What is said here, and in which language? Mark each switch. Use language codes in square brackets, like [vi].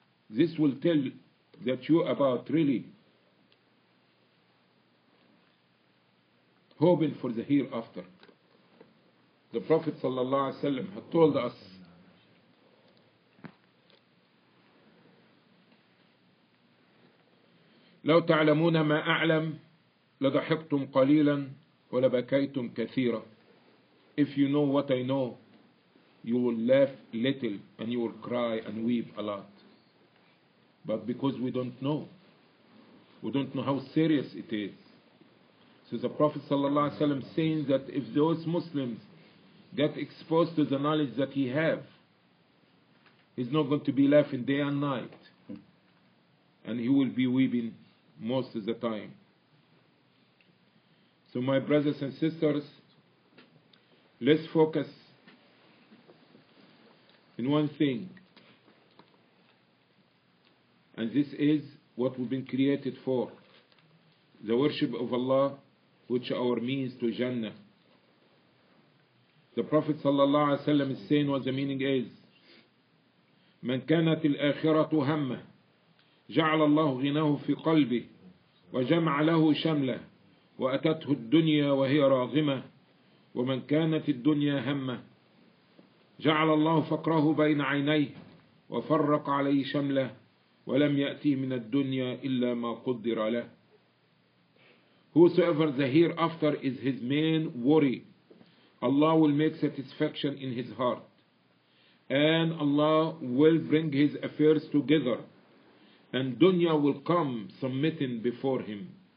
[en] This will tell that you about really hoping for the hereafter. The Prophet sallallahu alaihi wasallam had told us [ar] لو تعلمون ما أعلم لضحكتم قليلا ولبكيتم كثيرا. [en] If you know what I know, you will laugh little and you will cry and weep a lot. But because we don't know, we don't know how serious it is. So the Prophet sallallahu alaihi wasallam saying that if those Muslims get exposed to the knowledge that he have, he's not going to be laughing day and night, and he will be weeping most of the time. So my brothers and sisters, let's focus in one thing, and this is what we've been created for, the worship of Allah, which our means to Jannah. The Prophet sallallahu alaihi wasallam is saying what the meaning is, [ar] من كانت الآخرة همة جعل الله غناه في قلبه وجمع له شملة وأتته الدنيا وهي راغمة ومن كانت الدنيا همة جعل الله فقره بين عينيه وفرق عليه شملة ولم يأتي من الدنيا إلا ما قدر له. [en] Whosoever the hereafter is his main worry, Allah will make satisfaction in his heart, and Allah will bring his affairs together, and dunya will come submitting before him.